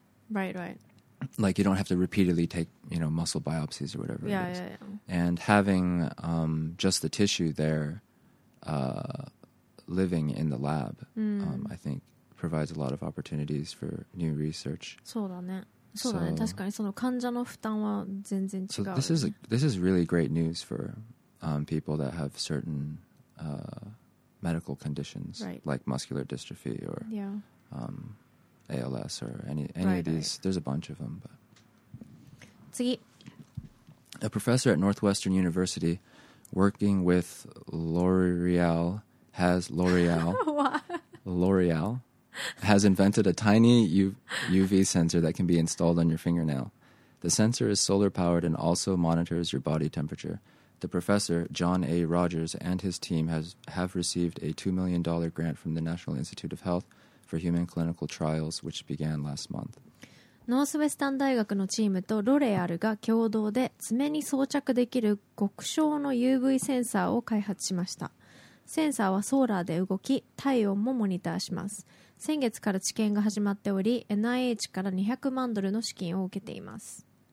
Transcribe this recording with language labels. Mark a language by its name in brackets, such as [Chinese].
[English] Right, right. Like, you don't have to repeatedly take, you know, muscle biopsies or whatever. Yeah, it is. Yeah, yeah. And having just the tissue there living in the lab, I think, provides a lot of opportunities for new research. [Japanese] そうだね。そうだね。確かにその患者の負担は全然違う。 [English] So this is really great news for people that have certain medical conditions, right, like muscular dystrophy or ALS or any right, of these. Right. There's a bunch of them. But [Japanese] 次。 [English] A professor at Northwestern University working with L'Oreal has L'Oreal has invented a tiny UV sensor that can be installed on your fingernail. The sensor is solar-powered and also monitors your body temperature. The professor, John A. Rogers, and his team have received a $2 million grant from the National Institute of Health for Human Clinical Trials, which began last month. [Japanese] ノースウェスタン大学のチームとロレアルが共同で爪に装着できる極小の UV センサーを開発しました。センサーはソーラーで動き、体温もモニターします。先月から治験が始まっており、NIH から200万ドルの資金を受けています。